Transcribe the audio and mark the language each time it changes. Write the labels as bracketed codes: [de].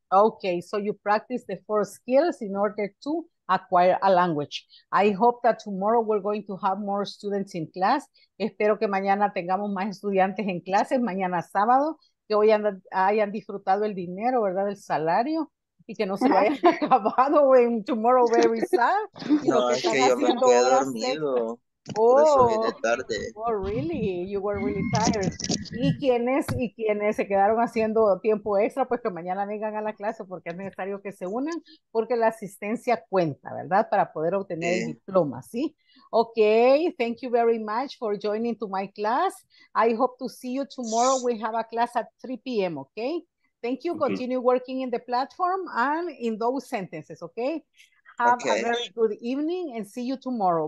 [en] Okay, so you practice the four skills in order to acquire a language. I hope that tomorrow we're going to have more students in class. [es] Espero que mañana tengamos más estudiantes en clases, mañana sábado, que hoy hayan disfrutado el dinero, ¿verdad? El salario, y que no se vaya acabado en tomorrow very sad. No, es que yo me quedé dormido. Tarde. Oh, really? You were really tired. ¿Y quiénes se quedaron haciendo tiempo extra? Pues que mañana vengan a la clase porque es necesario que se unan, porque la asistencia cuenta, ¿verdad? Para poder obtener el diploma, ¿sí? [en] Okay, thank you very much for joining to my class. I hope to see you tomorrow. We have a class at 3 p.m., okay? Thank you. Continue working in the platform and in those sentences, okay? Have a very good evening and see you tomorrow.